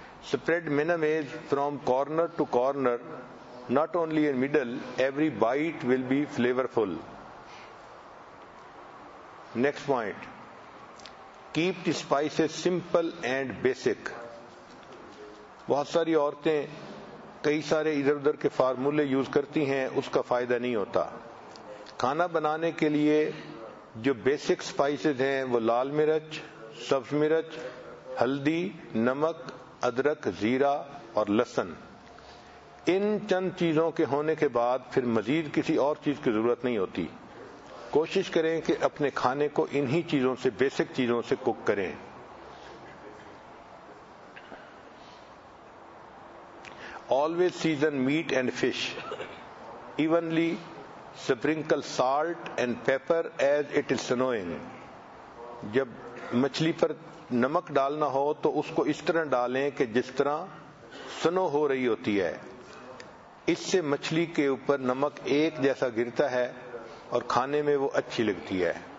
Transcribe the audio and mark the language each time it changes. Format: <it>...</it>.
<en>Spread mayonnaise from corner to corner, not only in middle, every bite will be flavorful. Next point, keep the spices simple and basic.</en> <ur>بہت ساری عورتیں کئی سارے ادھر ادھر کے فارمولے یوز کرتی ہیں, اس کا فائدہ نہیں ہوتا. کھانا بنانے کے لیے جو بیسک سپائسز ہیں وہ لال مرچ, سبز مرچ, ہلدی, نمک, ادرک, زیرہ اور لہسن. ان چند چیزوں کے ہونے کے بعد پھر مزید کسی اور چیز کی ضرورت نہیں ہوتی. کوشش کریں کہ اپنے کھانے کو انہی چیزوں سے, بیسک چیزوں سے کک کریں.</ur> <en>Always season meat and fish evenly. Sprinkle salt and pepper as it is snowing.</en> <ur>جب مچھلی پر نمک ڈالنا ہو تو اس کو اس طرح ڈالیں کہ جس طرح سنو ہو رہی ہوتی ہے. اس سے مچھلی کے اوپر نمک ایک جیسا گرتا ہے اور کھانے میں وہ اچھی لگتی ہے.</ur>